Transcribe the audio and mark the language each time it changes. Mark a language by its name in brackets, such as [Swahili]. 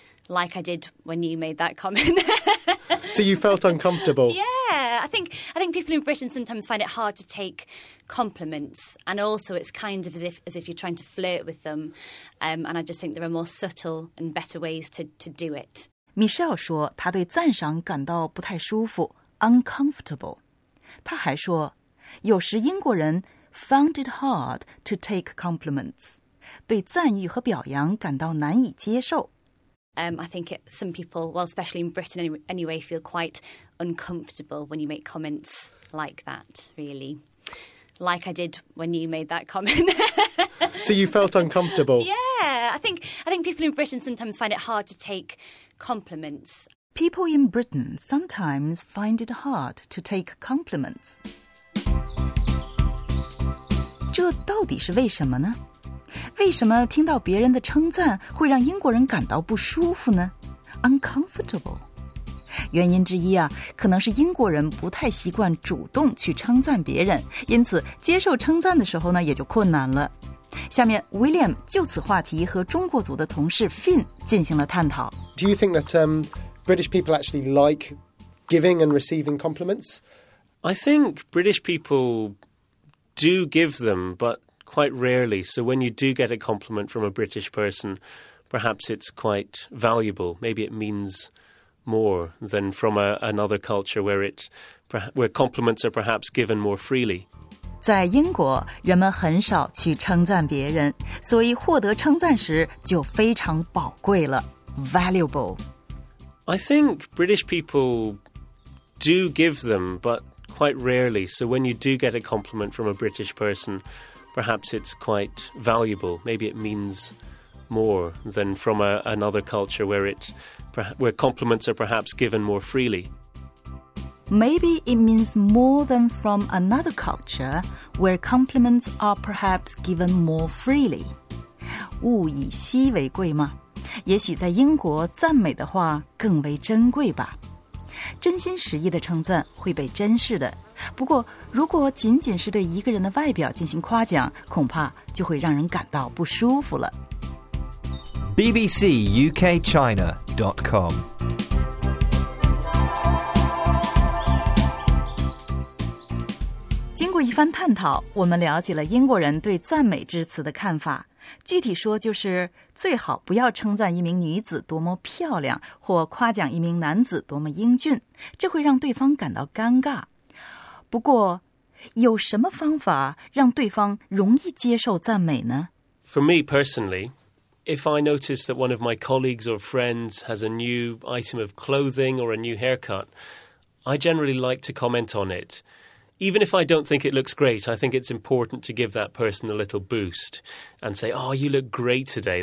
[English] Like I did when you made that comment. So you felt uncomfortable? Yeah. I think people in Britain sometimes find it hard to take compliments. And also it's kind of as if you're trying to flirt with them. And I just think there are more subtle and better ways to do it. [Chinese] Michelle 说她对赞赏感到不太舒服 uncomfortable. 他还说，有时英国人 [English] found it hard to take compliments, [Chinese] 对赞誉和表扬感到难以接受。 [English] I think some people, well, especially in Britain anyway, feel quite uncomfortable when you make comments like that, really. Like I did when you made that comment. So you felt uncomfortable? Yeah, I think people in Britain sometimes find it hard to take compliments. People in Britain sometimes find it hard to take compliments. [Chinese] 这到底是为什么呢？为什么听到别人的称赞会让英国人感到不舒服呢？ [English] Uncomfortable. [Chinese] 原因之一啊，可能是英国人不太习惯主动去称赞别人，因此接受称赞的时候呢，也就困难了。下面 William 就此话题和中国组的同事 Finn 进行了探讨。 [English] Do you think that British people actually like giving and receiving compliments? I think British people do give them, but quite rarely. So when you do get a compliment from a British person, perhaps it's quite valuable. Maybe it means more than from another culture where compliments are perhaps given more freely. [Chinese] 在英国，人们很少去称赞别人，所以获得称赞时就非常宝贵了 ,valuable. [English] I think British people do give them, but quite rarely. So when you do get a compliment from a British person, perhaps it's quite valuable. Maybe it means more than from another culture where compliments are perhaps given more freely. Maybe it means more than from another culture where compliments are perhaps given more freely. [Chinese] 物以稀为贵吗？也许在英国赞美的话更为珍贵吧。真心实意的称赞会被珍视的。不过如果仅仅是对一个人的外表进行夸奖，恐怕就会让人感到不舒服了。 [English] bbcukchina.com [Chinese] 经过一番探讨，我们了解了英国人对赞美之词的看法。具体说，就是最好不要称赞一名女子多么漂亮，或夸奖一名男子多么英俊，这会让对方感到尴尬。不过，有什么方法让对方容易接受赞美呢？ [English] For me personally, if I notice that one of my colleagues or friends has a new item of clothing or a new haircut, I generally like to comment on it. Even if I don't think it looks great, I think it's important to give that person a little boost and say, oh, you look great today.